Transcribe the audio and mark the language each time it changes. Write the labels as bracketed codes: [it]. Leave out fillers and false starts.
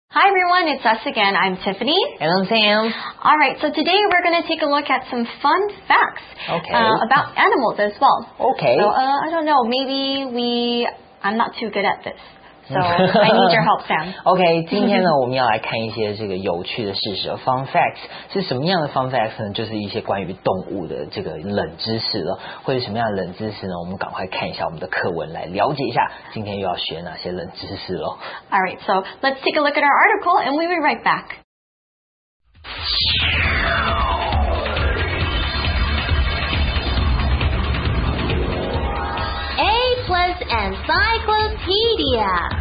[en] Hi everyone, it's us again. I'm Tiffany. And I'm Sam. All right, so today we're going to take a look at some fun facts about animals as well. Okay. So, I don't know, maybe I'm not too good at this. So, I need your help, Sam. [zh] Okay, 今天呢我们要来看一些这个有趣的事实 fun facts. 是什么样的 fun facts 呢？就是一些关于动物的这个冷知识了。会是什么样的冷知识呢？我们赶快看一下我们的课文来了解一下今天又要学哪些冷知识了。 [en] Alright, so let's take a look at our article and we'll be right back. A plus Encyclopedia.